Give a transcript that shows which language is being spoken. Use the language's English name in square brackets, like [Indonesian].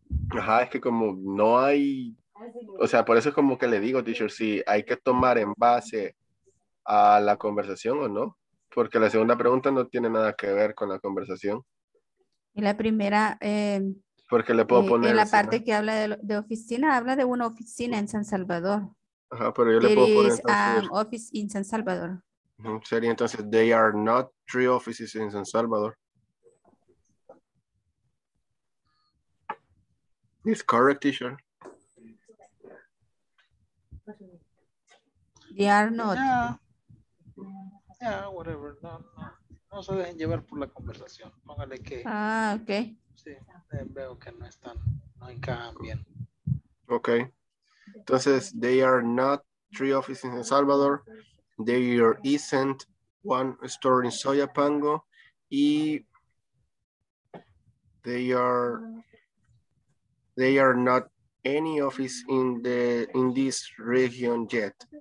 [Spanish] Ajá, es que como no hay, o sea, por eso es como que le digo, teacher, si hay que tomar en base a la conversación o no, porque la segunda pregunta no tiene nada que ver con la conversación. Y la primera, porque le puedo poner en la parte, ¿no?, que habla de oficina, habla de una oficina en San Salvador. Ajá, pero yo le puedo poner entonces, [English] office in San Salvador. [Spanish] Sería entonces, [English] they are not three offices in San Salvador. Is correct, teacher. They are not. Yeah, whatever. [Spanish] No se dejen llevar por la conversación. Póngale que. [English] Ah, okay. [Spanish] Sí, veo que no están, no encajan bien. [English] Ok. [Spanish] Entonces, [English] they are not three offices in El Salvador. There isn't one store in Soyapango. Y they are not any office in the in this region yet.